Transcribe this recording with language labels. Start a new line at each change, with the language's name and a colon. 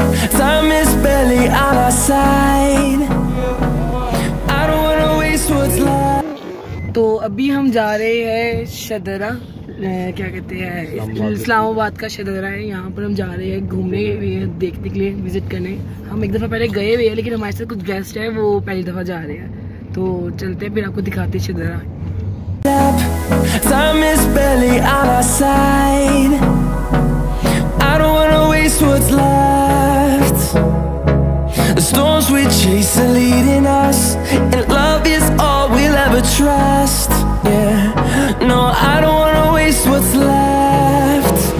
English: Time is barely on our side. I don't wanna waste what's left.
Hindi: तो अभी हम जा रहे हैं शदरा, क्या कहते हैं, इस्लामाबाद का शदरा है। यहाँ पर हम जा रहे हैं घूमने, देखने के लिए, विजिट करने। हम एक दफा पहले गए हुए हैं, लेकिन हमारे साथ कुछ गेस्ट है, वो पहली दफा जा रहे हैं। तो चलते हैं, फिर आपको दिखाते हैं Shahdara.
English: Time is barely on our side. I don't wanna waste what's left. The storms we chase are leading us, and love is all we'll ever trust. Yeah, no, I don't wanna waste what's left.